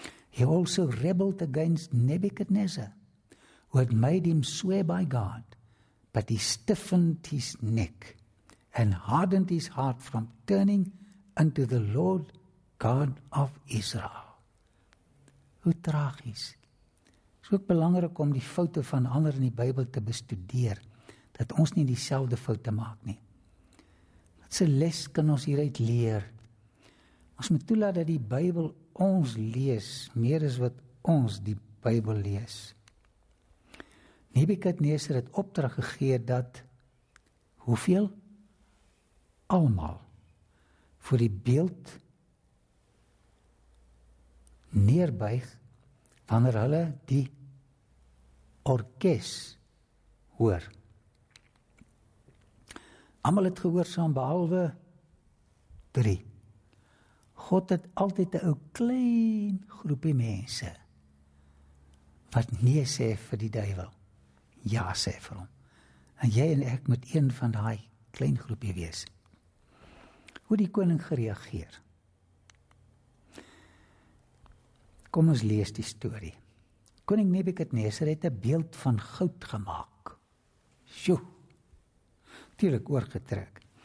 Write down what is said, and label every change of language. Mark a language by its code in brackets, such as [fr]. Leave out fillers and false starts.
[en] He also rebelled against Nebuchadnezzar, who had made him swear by God, but he stiffened his neck and hardened his heart from turning unto the Lord God of Israel. [af] Hoe tragies. Het is ook belangrijk om die foute van ander in die Bijbel te bestudeer, dat ons nie diezelfde foute maak nie. Wat se les kan ons hieruit leer? Ons moet toelaat dat die Bijbel ons lees, meer as wat ons die Bijbel lees. Nebuchadnezzar het opdrag gegee dat, hoeveel? Almal voor die beeld neerbuig wanneer hulle die orkes hoor. Almal het gehoorsaam behalwe 3. God het altyd 'n ou klein groepie mense wat nee sê vir die duivel, ja sê vir hom. En jy en ek moet een van daai klein groepie wees. Hoe die koning gereageer. Kom ons lees die story. Koning Nebuchadnezzar het 'n beeld van goud gemaak. Sjoe, tuurlijk oorgetrek.